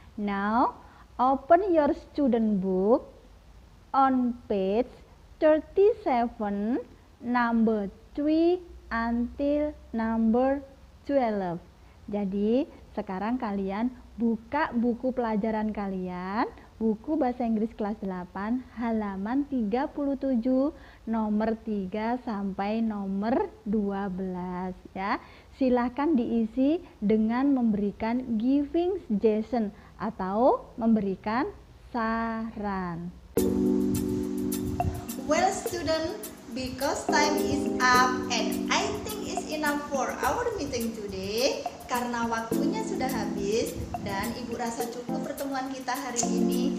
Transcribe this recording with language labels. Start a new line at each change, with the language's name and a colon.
English: Now, open your student book on page 37, number 3 until number 12.
Indonesian: Jadi, sekarang kalian buka buku pelajaran kalian, buku bahasa Inggris kelas 8, halaman 37, nomor 3 sampai nomor 12 ya. Silakan diisi dengan memberikan giving suggestion atau memberikan saran.
English: Well student, because time is up and I think it's enough for our meeting today.
Indonesian: Karena waktunya sudah habis dan ibu rasa cukup pertemuan kita hari ini.